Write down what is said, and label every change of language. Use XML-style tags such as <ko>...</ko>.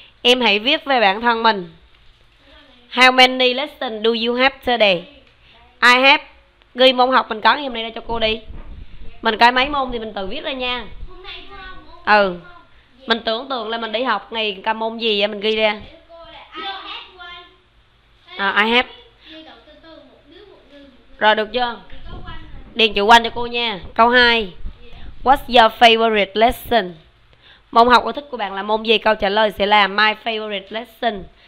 <vi>Em hãy viết về bản thân mình.</vi> <en>How many lessons do you have today? I have.</en> <vi>Ghi môn học mình có ngày hôm nay ra cho cô đi. Mình có mấy môn thì mình tự viết ra nha. Ừ. Mình tưởng tượng là mình đi học ngày có môn gì vậy, mình ghi ra.</vi> <en>I have.</en> <vi>Rồi được chưa? Điền chữ quanh cho cô nha. Câu 2.</vi> <en>What's your favorite lesson?</en> <vi>Môn học yêu thích của bạn là môn gì? Câu trả lời sẽ là</vi> <en>my favorite lesson.</en>